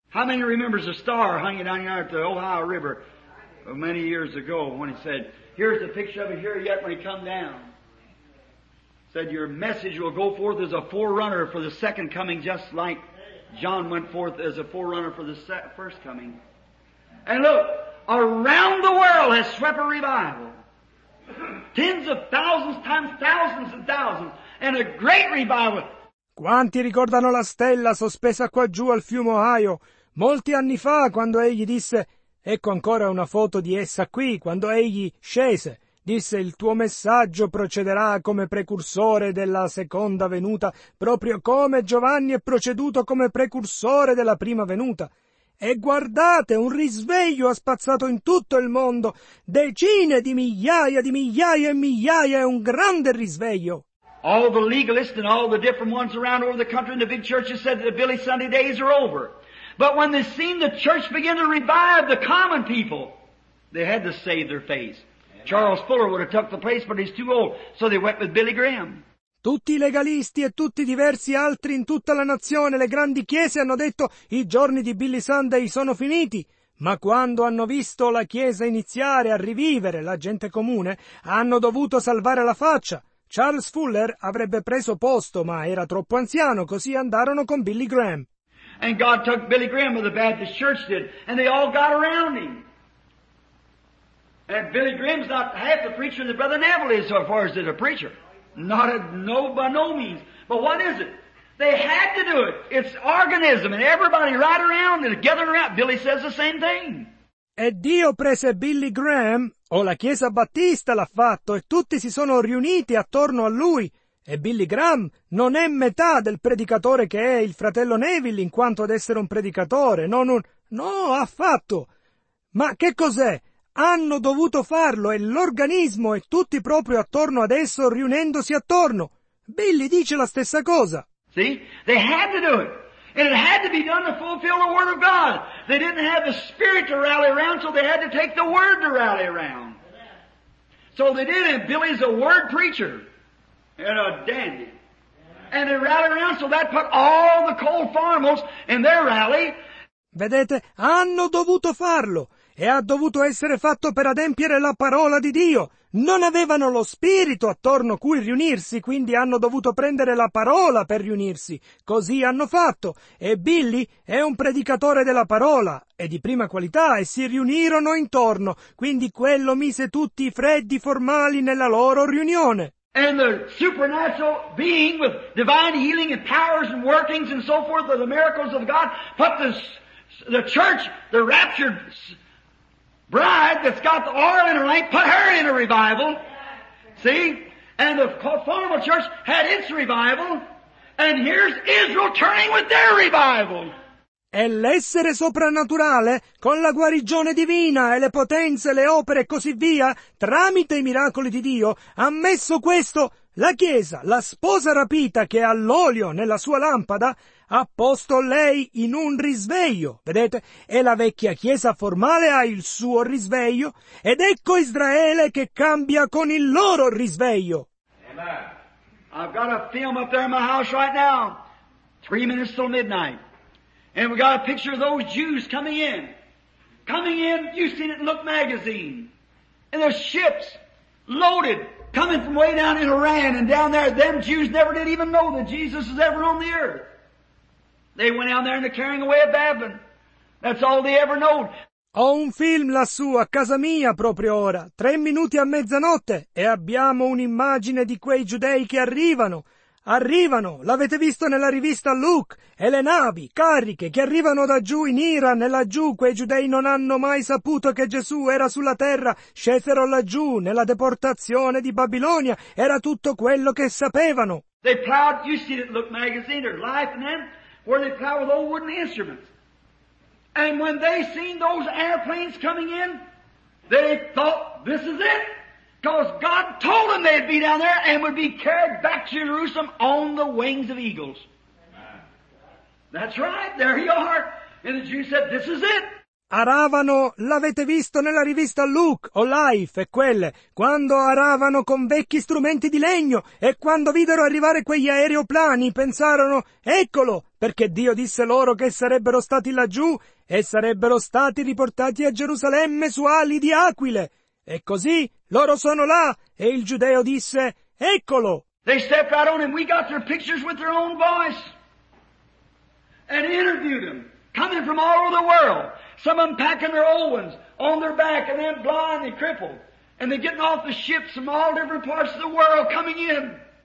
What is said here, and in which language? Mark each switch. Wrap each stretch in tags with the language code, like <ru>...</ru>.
<en>How many remembers a star hanging down here at the Ohio River many years ago when he said, here's the picture of it here yet when he come down. He said, your message will go forth as a forerunner for the second coming just like John went forth as a forerunner for the first coming. And look, around the world has swept a revival. Tens of thousands times thousands and thousands. And a great revival.</en> <it>Quanti ricordano la stella sospesa qua giù al fiume Ohio? Molti anni fa, quando egli disse, ecco ancora una foto di essa qui, quando egli scese, disse, il tuo messaggio procederà come precursore della seconda venuta, proprio come Giovanni è proceduto come precursore della prima venuta. E guardate, un risveglio ha spazzato in tutto il mondo, decine di migliaia e migliaia, è un grande risveglio.</it> <en>All the legalists and all the different ones around over the country in the big churches said that the Billy Sunday days are over. But when they seen the church begin to revive the common people, they had to save their face. Charles Fuller would have took the place, but he's too old, so they went with Billy Graham.</en> <it>Tutti i legalisti e tutti i diversi altri in tutta la nazione, le grandi chiese hanno detto i giorni di Billy Sunday sono finiti. Ma quando hanno visto la chiesa iniziare a rivivere la gente comune, hanno dovuto salvare la faccia. Charles Fuller avrebbe preso posto, ma era troppo anziano, così andarono con Billy Graham.</it> <en>And God took Billy Graham, where the Baptist church did, and they all got around him. And Billy Graham's not half the preacher that Brother Neville is, so far as it's a preacher. Not a, no, by no means. But what is it? They had to do it. It's organism, and everybody right around and gathering around. Billy says the same thing.</en> <it>E Dio prese Billy Graham, o la Chiesa Battista l'ha fatto, e tutti si sono riuniti attorno a lui. E Billy Graham non è metà del predicatore che è il fratello Neville in quanto ad essere un predicatore, non un... No, affatto! Ma che cos'è? Hanno dovuto farlo e l'organismo e tutti proprio attorno ad esso riunendosi attorno. Billy dice la stessa cosa.</it> <en>See? They had to do it. And it had to be done to fulfill the word of God. They didn't have the spirit to rally around, so they had to take the word to rally around. So they did it. Billy's a word preacher. And a dandy. And they rallied around, so that put all the coal farmers in their rally.</en> <it>Vedete, hanno dovuto farlo. E ha dovuto essere fatto per adempiere la parola di Dio. Non avevano lo spirito attorno cui riunirsi, quindi hanno dovuto prendere la parola per riunirsi. Così hanno fatto. E Billy è un predicatore della parola, è di prima qualità, e si riunirono intorno. Quindi quello mise tutti i freddi formali nella loro riunione.</it> <en>And the supernatural being with divine healing and powers and workings and so forth of the miracles of God put the church, the raptured bride that's got the oil in her lamp, put her in a revival. See? And the formal church had its revival. And here's Israel turning with their revival.</en> <it>E l'essere soprannaturale, con la guarigione divina e le potenze, le opere e così via, tramite i miracoli di Dio, ha messo questo, la Chiesa, la sposa rapita che ha l'olio nella sua lampada, ha posto lei in un risveglio, vedete? E la vecchia Chiesa formale ha il suo risveglio, ed ecco Israele che cambia con il loro risveglio.</it> <en>Amen. I've got a film up there in my house right now, 3 minutes till midnight. And we got a picture of those Jews coming in. Coming in, you've seen it in Look magazine. And there's ships loaded coming from way down in Iran and down there. Them Jews never did even know that Jesus was ever on the earth. They went down there and they're carrying away a Babylon. That's all they ever know.</en> <it>Ho un film lassù a casa mia proprio ora, 3 minuti a mezzanotte, e abbiamo un'immagine di quei giudei che arrivano. Arrivano, l'avete visto nella rivista Look, e le navi, cariche, che arrivano da giù in Iran e laggiù, quei giudei non hanno mai saputo che Gesù era sulla terra, scesero laggiù, nella deportazione di Babilonia, era tutto quello che sapevano.</it> <en>They plowed, you see it, Look magazine, or Life, man, where they plowed with old wooden instruments. And when they seen those airplanes coming in, they thought, this is it. Because God told them they'd be down there and would be carried back to Jerusalem on the wings of eagles. That's right, there you are. And the Jews said, this is it.</en> <it>Aravano, l'avete visto nella rivista Look o Life e quelle, quando aravano con vecchi strumenti di legno e quando videro arrivare quegli aeroplani pensarono, eccolo, perché Dio disse loro che sarebbero stati laggiù e sarebbero stati riportati a Gerusalemme su ali di aquile. E così loro sono là e il giudeo disse, eccolo.</it> <en>They stepped out on him. We got their pictures with their own voice and interviewed them coming from all over the world. Some of them packing their old ones on their back and then blind and crippled. And they're getting off the ships from all different parts of the world coming in.</en>